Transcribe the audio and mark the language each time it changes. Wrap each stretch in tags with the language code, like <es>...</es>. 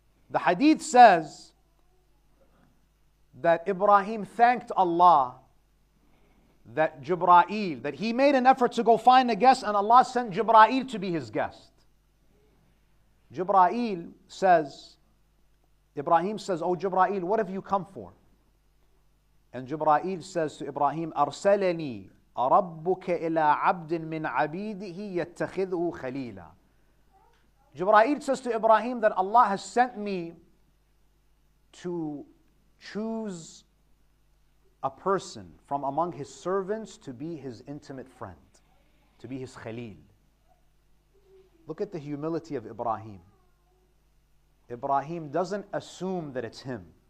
<en>The hadith says that Ibrahim thanked Allah that Jibra'il, that he made an effort to go find a guest and Allah sent Jibra'il to be his guest. Jibra'il says, Ibrahim says, oh Jibra'il, what have you come for? And Jibra'il says to Ibrahim,</en> <ar>أَرْسَلَنِي رَبُّكَ إِلَىٰ عَبْدٍ مِّنْ عَبِيدِهِ يَتَّخِذُهُ خَلِيلًا.</ar> <en>Jibra'il says to Ibrahim that Allah has sent me to choose a person from among his servants to be his intimate friend, to be his khalil. Look at the humility of Ibrahim. Ibrahim doesn't assume that it's him.</en>